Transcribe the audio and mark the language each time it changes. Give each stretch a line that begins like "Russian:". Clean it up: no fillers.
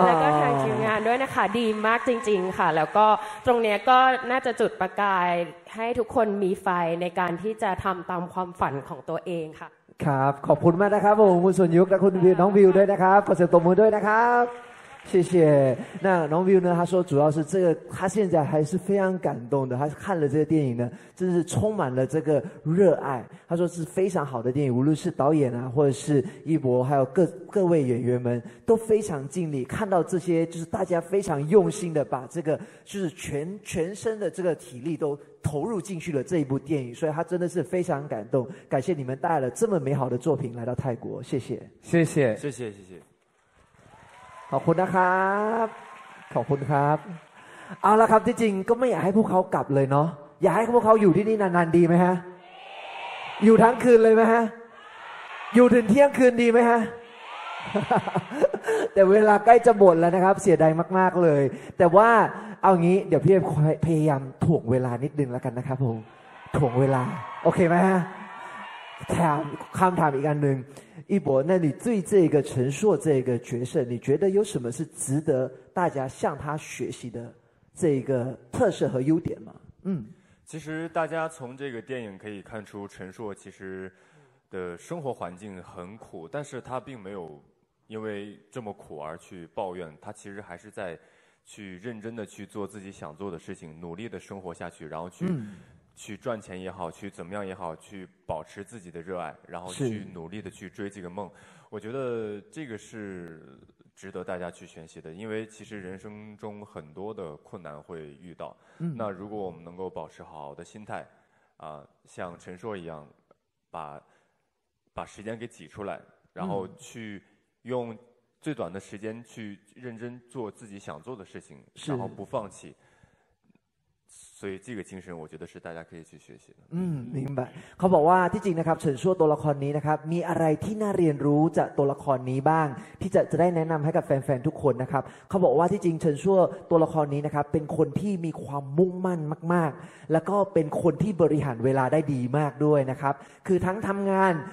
Thai: แล้วก็ทางทีมงานด้วยนะคะดีมากจริงๆค่ะแล้วก็ตรงนี้ก็น่าจะจุดประกายให้ทุกคนมีไฟในการที่จะทำตามความฝันของตัวเองค่ะ ครับขอบคุณมากนะครับผมคุณสุนยุกและคุณวิวน้องวิวด้วยนะครับขอเสียงตบมือด้วยนะครับ
Chinese: 谢谢。那龙 view 呢？他说主要是这个，他现在还是非常感动的。他看了这个电影呢，真是充满了这个热爱。他说是非常好的电影，无论是导演啊，或者是一博，还有各位演员们都非常尽力。看到这些，就是大家非常用心的把这个，就是全身的这个体力都投入进去了这一部电影，所以他真的是非常感动。感谢你们带了这么美好的作品来到泰国，谢谢，谢谢，谢谢，谢谢。
Thai: ขอบคุณนะครับขอบคุณครับเอาละครับจริงๆก็ไม่อยากให้พวกเขากลับเลยเนาะอยากให้พวกเขาอยู่ที่นี่นานๆดีไหมฮะอยู่ทั้งคืนเลยไหมฮะอยู่ถึงเที่ยงคืนดีไหมฮะ แต่เวลาใกล้จะหมดแล้วนะครับเสียดายมากๆเลยแต่ว่าเอางี้เดี๋ยวพี่พยายามถ่วงเวลานิดนึงแล้วกันนะครับผมถ่วงเวลาโอเคไหมฮะคำถามอีกอันหนึ่งอีโบ
Chinese: 那你对这个陈硕这个角色你觉得有什么是值得大家向他学习的这个特色和优点吗其实大家从这个电影可以看出陈硕其实的生活环境很苦但是他并没有因为这么苦而去抱怨他其实还是在去认真的去做自己想做的事情努力的生活下去然后去赚钱也好去怎么样也好去保持自己的热爱然后去努力的去追这个梦我觉得这个是值得大家去学习的因为其实人生中很多的困难会遇到那如果我们能够保持好的心态像陈硕一样把时间给挤出来然后去用最短的时间去认真做自己想做的事情然后不放弃所以这个精神我觉得是大家可以去学习的明白
Thai: เขาบอกว่าที่จริงนะครับเฉินซั่วตัวละครนี้นะครับมีอะไรที่น่าเรียนรู้จากตัวละครนี้บ้างที่จะได้แนะนําให้กับแฟนๆทุกคนนะครับเขาบอกว่าที่จริงเฉินซั่วตัวละครนี้นะครับเป็นคนที่มีความมุ่งมั่นมากๆแล้วก็เป็นคนที่บริหารเวลาได้ดีมากด้วยนะครับคือทั้งทํางาน